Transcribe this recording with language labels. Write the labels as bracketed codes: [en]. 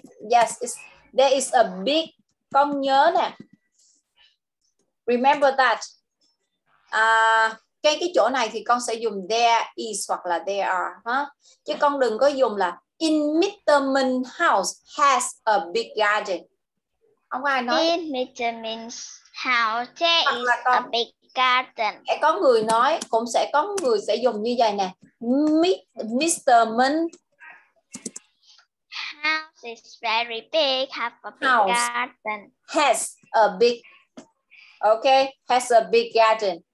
[en] Yes, there is a big, [vi] con nhớ nè. [en] Remember that. [vi] Cái chỗ này thì con sẽ dùng there is hoặc là there are. Huh? Chứ con đừng có dùng là in Mr. [en] Min's house has a big garden. [vi] Không ai nói. [en] In Mr. Min's house there is a big garden. [vi] Sẽ có người nói, cũng sẽ có người sẽ dùng như vậy nè. [en] Mr. Min. House is very big, have a big house garden. Has a big, okay, has a big garden.